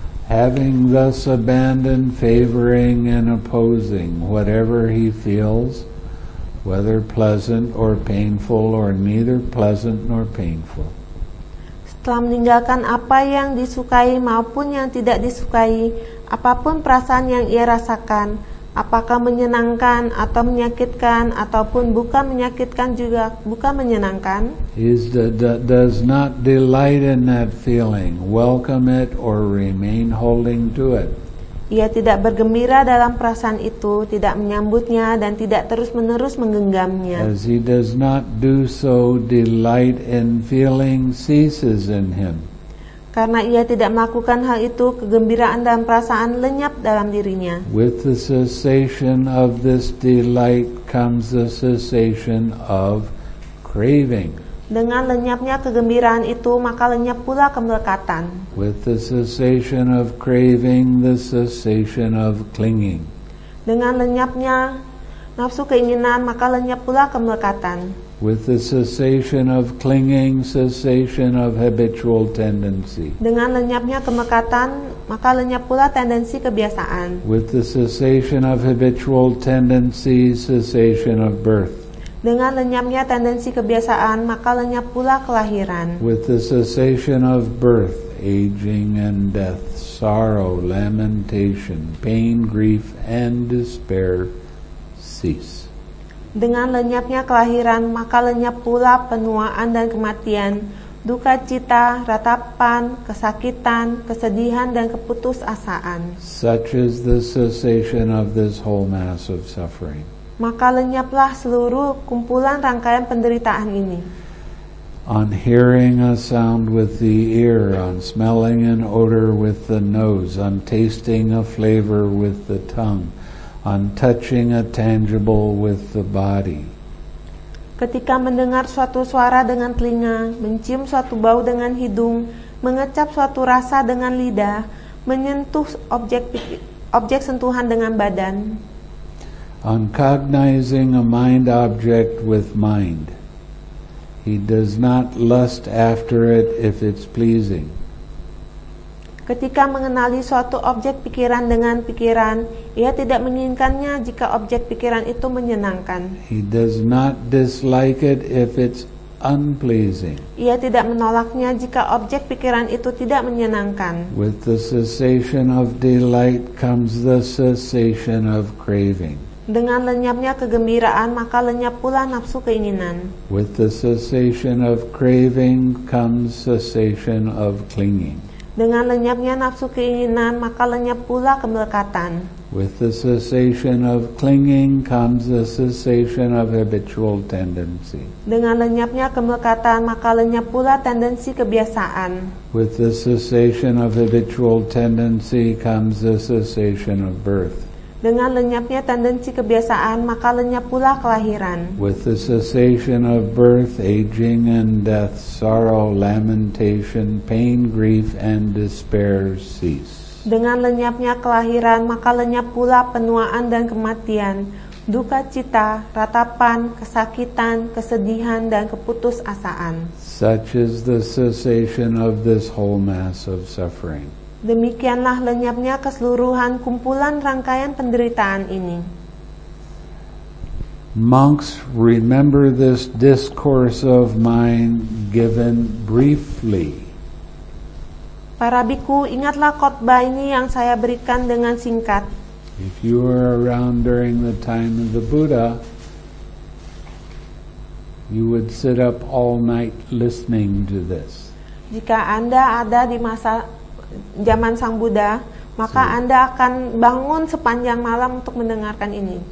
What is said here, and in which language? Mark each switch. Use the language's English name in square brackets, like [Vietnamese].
[English] Having thus abandoned favoring and opposing whatever he feels, whether pleasant or painful or neither pleasant nor painful. [Indonesian] Setelah meninggalkan apa yang disukai maupun yang tidak disukai, apapun perasaan yang ia rasakan, apakah menyenangkan atau menyakitkan ataupun bukan menyakitkan juga bukan menyenangkan. [English] He does not delight in that feeling, welcome it or remain holding to it. [Indonesian] Ia tidak bergembira dalam perasaan itu, tidak menyambutnya dan tidak terus-menerus menggenggamnya. [English] As he does not do so, delight in feeling ceases in him. [Indonesian] Karena ia tidak melakukan hal itu, kegembiraan dan perasaan lenyap dalam dirinya. [English] With the cessation of this delight comes the cessation of craving. [Indonesian] Dengan lenyapnya kegembiraan itu, maka lenyap pula kemelekatan. [English] With the cessation of craving, the cessation of clinging. [Indonesian] Dengan lenyapnya nafsu keinginan, maka lenyap pula kemelekatan. [English] With the cessation of clinging, cessation of habitual tendency. [Indonesian] Dengan lenyapnya kemekatan, maka lenyap pula tendensi kebiasaan. [English] With the cessation of habitual tendency, cessation of birth. [Indonesian] Dengan lenyapnya tendensi kebiasaan, maka lenyap pula kelahiran. [English] With the cessation of birth, aging and death, sorrow, lamentation, pain, grief, and despair cease. [Indonesian] Dengan lenyapnya kelahiran, maka lenyap pula penuaan dan kematian, duka cita, ratapan, kesakitan, kesedihan, dan keputusasaan. [English] Such is the cessation of this whole mass of suffering. [Indonesian] Maka lenyaplah seluruh kumpulan rangkaian penderitaan ini. [English] On hearing a sound with the ear, on smelling an odor with the nose, on tasting a flavor with the tongue, on touching a tangible with the body. [Indonesian] Ketika mendengar suatu suara dengan telinga, mencium suatu bau dengan hidung, mengecap suatu rasa dengan lidah, menyentuh objek sentuhan dengan badan. [English] On cognizing a mind object with mind. He does not lust after it if it's pleasing. [Indonesian] Ketika mengenali suatu objek pikiran dengan pikiran, ia tidak menginginkannya jika objek pikiran itu menyenangkan. [English] He does not dislike it if it's unpleasing. [Indonesian] Ia tidak menolaknya jika objek pikiran itu tidak menyenangkan. [English] With the cessation of delight comes the cessation of craving. [Indonesian] Dengan lenyapnya kegembiraan, maka lenyap pula nafsu keinginan. [English] With the cessation of craving comes cessation of clinging. [Indonesian] Dengan lenyapnya nafsu keinginan, maka lenyap pula kemelekatan. [English] With the cessation of clinging comes the cessation of habitual tendency. [Indonesian] Dengan lenyapnya kemelekatan, maka lenyap pula tendensi kebiasaan. [English] With the cessation of habitual tendency comes the cessation of birth. [Indonesian] Dengan lenyapnya tendensi kebiasaan, maka lenyap pula kelahiran. [English] With the cessation of birth, aging and death, sorrow, lamentation, pain, grief, and despair cease. [Indonesian] Dengan lenyapnya kelahiran, maka lenyap pula penuaan dan kematian, duka cita, ratapan, kesakitan, kesedihan, dan keputusasaan. [English] Such is the cessation of this whole mass of suffering. [Indonesian] Demikianlah lenyapnya keseluruhan kumpulan rangkaian penderitaan ini. [English] Monks, remember this discourse of mine given briefly. [Indonesian] Para bhikkhu, ingatlah khotbah ini yang saya berikan dengan singkat. [English] If you were around during the time of the Buddha, you would sit up all night listening to this. [Indonesian] Jika Anda ada di masa zaman Sang Buddha, maka Anda akan bangun sepanjang malam untuk mendengarkan ini.